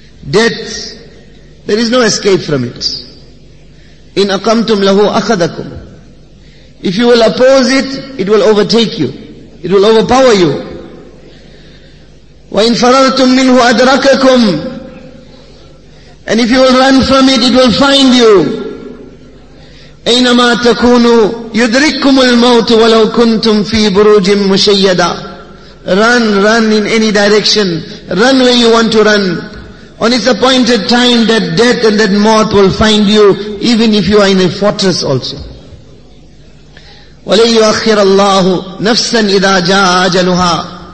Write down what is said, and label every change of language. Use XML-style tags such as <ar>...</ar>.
<en>Death, there is no escape from it.</en> <ar>In aqamtum lahu akhadakum.</ar> <en>If you will oppose it, it will overtake you. It will overpower you.</en> <ar>Wa in farartum minhu adrakakum.</ar> <en>And if you will run from it, it will find you.</en> <ar>أينما تكونوا يدرككم الموت ولو كنتم في بروج مشيدة.</ar> <en>Run, run in any direction. Run where you want to run. On its appointed time, that death and that moth will find you, even if you are in a fortress also.</en> <ar>وَلَيْ يُؤَخِّرَ اللَّهُ نَفْسًا إِذَا جَاءَ أَجَلُهَا.</ar>